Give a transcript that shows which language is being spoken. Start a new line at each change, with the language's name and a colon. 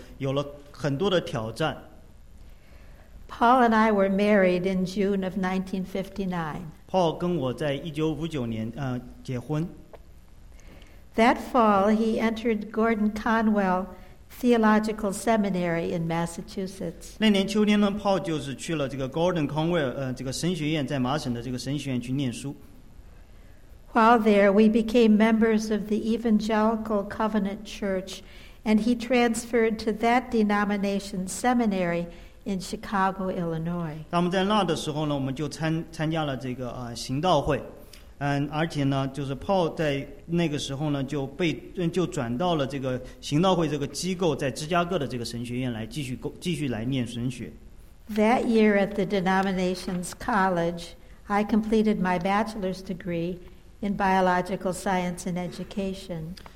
Chinese: 这就是我们开始侍奉我们的主和传讲福音的这个宣道生活的开始，当然这个生活有了很多的挑战。
English: Paul and I were married in June of 1959.
Chinese: Paul 跟我在1959年结婚。
English: That fall, he entered Gordon Conwell Theological Seminary in Massachusetts.
Chinese: 那年秋天呢, Paul 就是去了这个Gordon Conwell神学院，在麻省的这个神学院去念书。
English: While there, we became members of the Evangelical Covenant Church, and he transferred to that denomination seminary in Chicago, Illinois.
Chinese: 我们在那的时候呢，我们就参加了这个行道会，而且呢，就是Paul在那个时候呢，就转到了这个行道会这个机构，在芝加哥的这个神学院来继续念神学。
English: That year at the denomination's college, I completed my bachelor's degree in biological science and education.